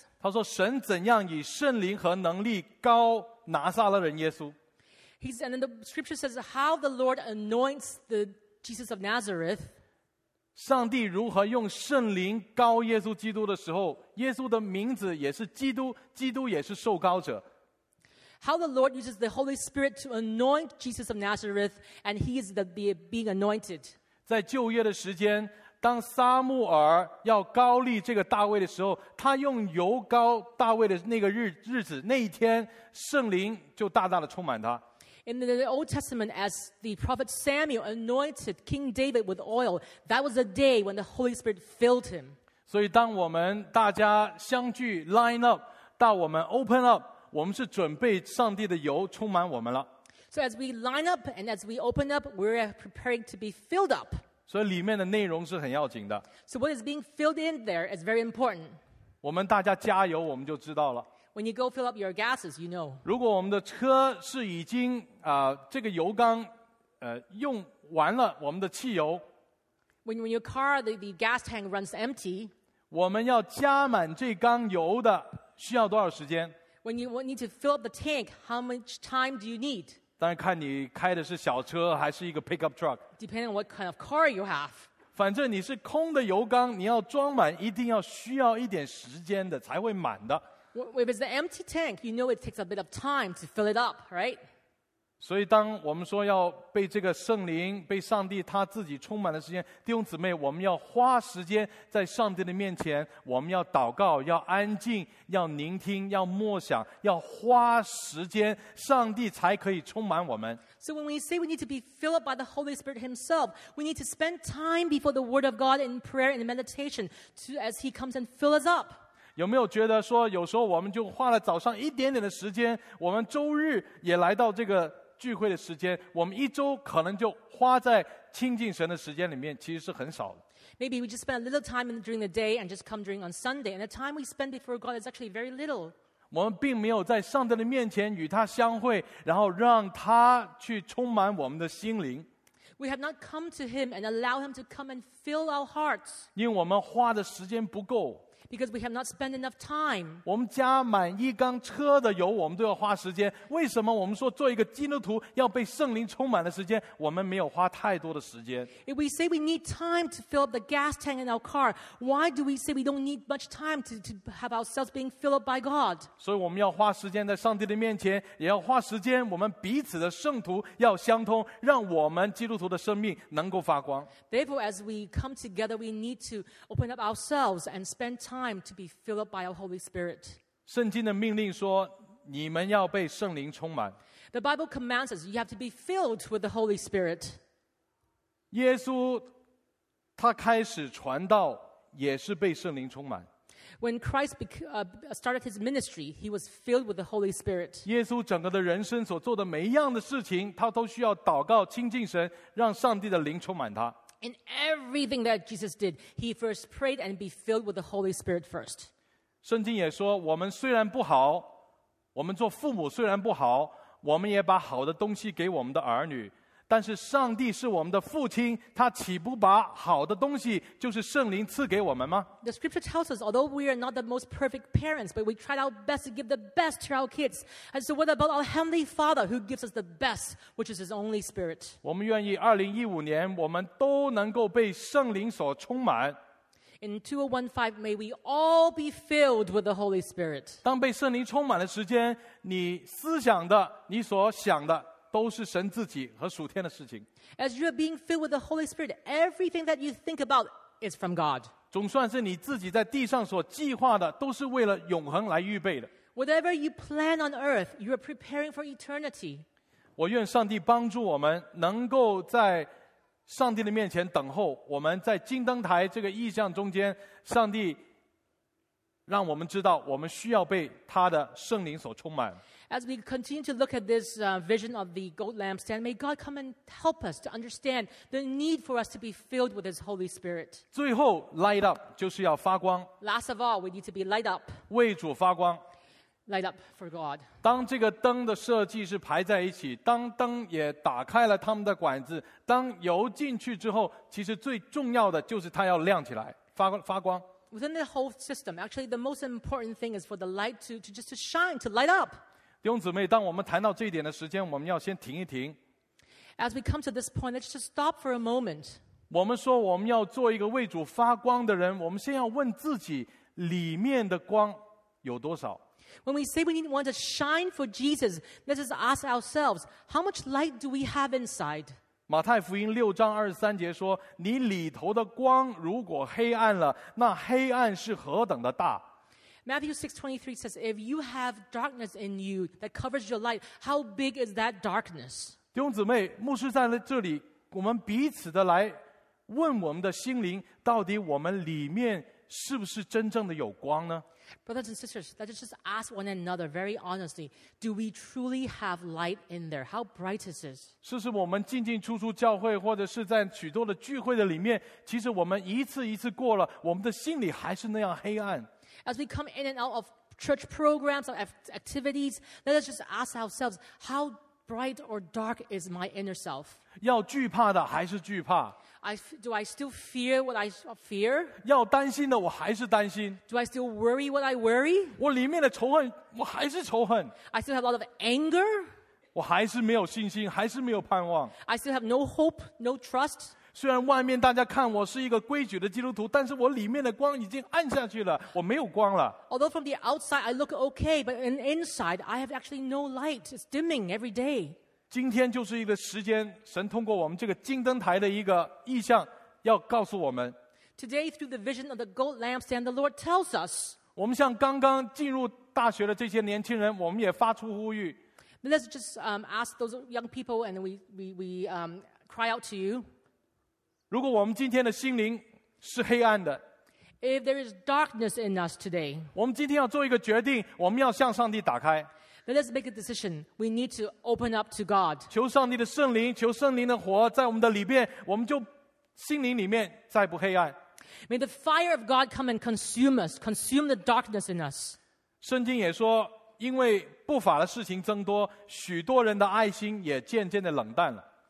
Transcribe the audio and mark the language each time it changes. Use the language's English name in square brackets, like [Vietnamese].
[Chinese] 他说：“神怎样以圣灵和能力膏拿撒勒人耶稣。” [English] He's, and then the scripture says how the Lord anoints the Jesus of Nazareth. [Chinese] 上帝如何用圣灵膏耶稣基督的时候，耶稣的名字也是基督，基督也是受膏者。 [English] How the Lord uses the Holy Spirit to anoint Jesus of Nazareth, and He is the being anointed. [Chinese] 在旧约的时间，当撒母耳要膏立这个大卫的时候，他用油膏大卫的那个日子，那一天，圣灵就大大的充满他。 [English] In the Old Testament, as the prophet Samuel anointed King David with oil, that was a day when the Holy Spirit filled him. [Chinese] 所以当我们大家相聚 [English] line up, [Chinese] 到我们 [English] open up, [Chinese] 我们是准备上帝的油充满我们了。 [English] So as we line up and as we open up, we're preparing to be filled up. [Chinese] 所以里面的内容是很要紧的。 [English] So what is being filled in there is very important. [Chinese] 我们大家加油我们就知道了。 [English] When you go fill up your gases, you know. [Chinese] 如果我们的车是已经这个油缸用完了我们的汽油。 [English] When your car, the gas tank runs empty. [Chinese] 我们要加满这缸油的需要多少时间？ [English] When you need to fill up the tank, how much time do you need? [Chinese] 当然看你开的是小车还是一个 pickup truck. [English] Depending on what kind of car you have. [Chinese] 反正你是空的油缸，你要装满一定要需要一点时间的才会满的。 [English] If it's an empty tank, you know it takes a bit of time to fill it up, right? [Chinese] 所以当我们说要被这个圣灵、被上帝他自己充满的时间，弟兄姊妹，我们要花时间在上帝的面前，我们要祷告，要安静，要聆听，要默想，要花时间，上帝才可以充满我们。 [English] So when we say we need to be filled up by the Holy Spirit Himself, we need to spend time before the Word of God in prayer and meditation to, as He comes and fills us up. [Chinese] 有没有觉得说有时候我们就花了早上一点点的时间，我们周日也来到这个聚会的时间，我们一周可能就花在亲近神的时间里面其实是很少的。 [English] Maybe we just spend a little time during the day and just come during on Sunday, and the time we spend before God is actually very little. [Chinese] 我们并没有在上帝的面前与他相会，然后让他去充满我们的心灵。 [English] We have not come to Him and allow Him to come and fill our hearts. [Chinese] 因为我们花的时间不够。 [English] Because we have not spent enough time. [Chinese] 我们加满一缸车的油，我们都要花时间。为什么我们说做一个基督徒要被圣灵充满的时间，我们没有花太多的时间？ [English] If we say we need time to fill up the gas tank in our car, why do we say we don't need much time to have ourselves being filled up by God? [Chinese] 所以我们要花时间在上帝的面前，也要花时间我们彼此的圣徒要相通，让我们基督徒的生命能够发光。 [English] Therefore, as we come together, we need to open up ourselves and spend time to be filled up by our Holy Spirit. [Chinese] 圣经的命令说，你们要被圣灵充满。 [English] The Bible commands us, you have to be filled with the Holy Spirit. [Chinese] 耶稣他开始传道也是被圣灵充满。 [English] When Christ started his ministry, he was filled with the Holy Spirit. [Chinese] 耶稣整个的人生所做的每一样的事情，他都需要祷告亲近神，让上帝的灵充满他。 [English] In everything that Jesus did, he first prayed and be filled with the Holy Spirit first. [Chinese] 圣经也说，我们虽然不好，我们做父母虽然不好，我们也把好的东西给我们的儿女。但是上帝是我们的父亲，他岂不把好的东西，就是圣灵赐给我们吗？ [English] The scripture tells us, although we are not the most perfect parents, but we try our best to give the best to our kids. And so what about our Heavenly Father who gives us the best, which is His only Spirit? [Chinese] 我们愿意2015年我们都能够被圣灵所充满。 [English] In 2015, may we all be filled with the Holy Spirit. [Chinese] 当被圣灵充满的时间，你思想的，你所想的都是神自己和属天的事情。 [English] As you are being filled with the Holy Spirit, everything that you think about is from God. [Chinese] 总算是你自己在地上所计划的，都是为了永恒来预备的。 [English] Whatever you plan on earth, you are preparing for eternity. [Chinese] 我愿上帝帮助我们，能够在上帝的面前等候。我们在金灯台这个意象中间，上帝让我们知道，我们需要被他的圣灵所充满。 [English] As we continue to look at this vision of the gold lampstand, may God come and help us to understand the need for us to be filled with His Holy Spirit. [Chinese] 最后 [English] light up [Chinese] 就是要发光。 [English] Last of all, we need to be light up. [Chinese] 为主发光。 [English] Light up for God. [Chinese] 当这个灯的设计是排在一起，当灯也打开了他们的管子，当油进去之后，其实最重要的就是它要亮起来，发光。 [English] Within the whole system, actually, the most important thing is for the light to just to shine, to light up. [Chinese] 弟兄姊妹，当我们谈到这一点的时间，我们要先停一停。 [English] As we come to this point, let's just stop for a moment. [Chinese] 我们说我们要做一个为主发光的人，我们先要问自己里面的光有多少。 [English] When we say we need want to shine for Jesus, let's just ask ourselves, how much light do we have inside? [Chinese] 马太福音六章二十三节说：“你里头的光如果黑暗了，那黑暗是何等的大。” [English] Matthew 6:23 says, "If you have darkness in you that covers your light, how big is that darkness?" [Chinese] 弟兄姊妹，牧师在这里，我们彼此的来问我们的心灵，到底我们里面是不是真正的有光呢？ [English] Brothers and sisters, let's just ask one another very honestly: Do we truly have light in there? How bright is it? [Chinese] 是不是我们进进出出教会，或者是在许多的聚会的里面，其实我们一次一次过了，我们的心里还是那样黑暗？ [English] As we come in and out of church programs or activities, let us just ask ourselves, how bright or dark is my inner self? [Chinese] 要惧怕的还是惧怕？ [English] Do I still fear what I fear? [Chinese] 要担心的我还是担心？ [English] Do I still worry what I worry? [Chinese] 我里面的仇恨，我还是仇恨？ [English] I still have a lot of anger? [Chinese] 我还是没有信心，还是没有盼望？ [English] I still have no hope, no trust? [Chinese] 虽然外面大家看我是一个规矩的基督徒，但是我里面的光已经暗下去了，我没有光了。 [English] Although from the outside I look okay, but inside I have actually no light. It's dimming every day. [Chinese] 今天就是一个时间，神通过我们这个金灯台的一个意象，要告诉我们。 [English] Today, through the vision of the gold lampstand, the Lord tells us. [Chinese] 我们像刚刚进入大学的这些年轻人，我们也发出呼吁。 [English] Let's just ask those young people, and we cry out to you. [Chinese] 如果我们今天的心灵是黑暗的， [English] If there is darkness in us today, [Chinese] 我们今天要做一个决定，我们要向上帝打开。 [English] Let us make a decision. We need to open up to God. [Chinese] 求上帝的圣灵，求圣灵的火在我们的里面，我们就心灵里面再不黑暗。 [English] May the fire of God come and consume us, consume the darkness in us. [Chinese] 圣经也说，因为不法的事情增多，许多人的爱心也渐渐的冷淡了。